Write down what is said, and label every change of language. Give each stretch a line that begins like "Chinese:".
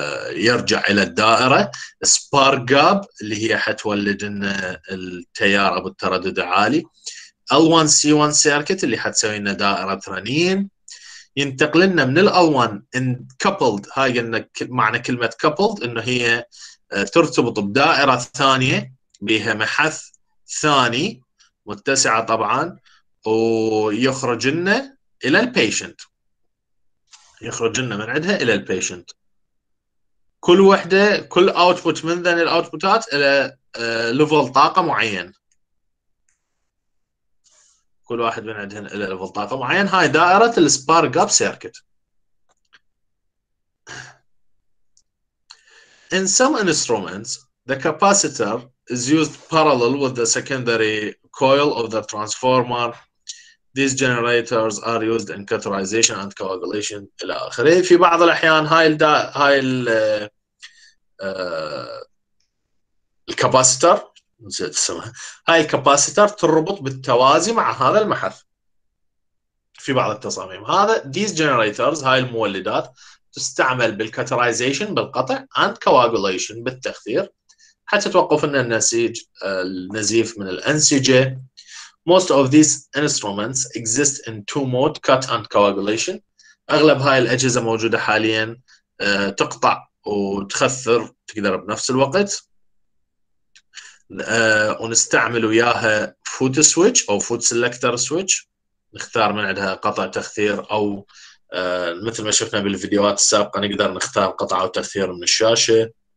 Arabic: يرجع الى الدائره سبارك جاب اللي هي حتولد لنا التيار ابو التردد عالي، L1 C1 سيركت اللي حتسوي لنا دائره رنين، ينتقل لنا من L1 ان كابلد، هاي قلنا معنى كلمه كابلد انه هي ترتبط بدائره ثانيه بها محث ثاني متسعه طبعا، ويخرج لنا الى البيشنت، يخرج لنا من عندها الى البيشنت. كل وحده كل اوتبوت من ذن الاوتبوتات الى ليفل طاقه معين، كل واحد من عندهن الى ليفل طاقه معين، هاي دائره السبارك جاب سيركت.
English: In some instruments the capacitor is used parallel with the secondary coil of the transformer. These generators are used in cauterization and coagulation.
Arabic: إلى آخره. في بعض الأحيان الكاباسيتر نسيت اسمها، هاي الكاباسيتر تربط بالتوازي مع هذا المحث في بعض التصاميم. هذا
English: these generators
Arabic: هاي المولدات تستعمل بالcauterization بالقطع
English: and coagulation
Arabic: بالتخثير حتى توقف لنا النسيج النزيف من الأنسجة.
English: Most of these instruments exist in two mode, cut and coagulation.
Arabic: أغلب هاي الأجهزة موجودة حالياً تقطع وتخثر تقدر بنفس الوقت. ونستعمل وياها foot switch أو foot selector switch. نختار من عندها قطع تخثير أو مثل ما شفنا بالفيديوهات السابقة نقدر نختار قطع أو تخثير من الشاشة.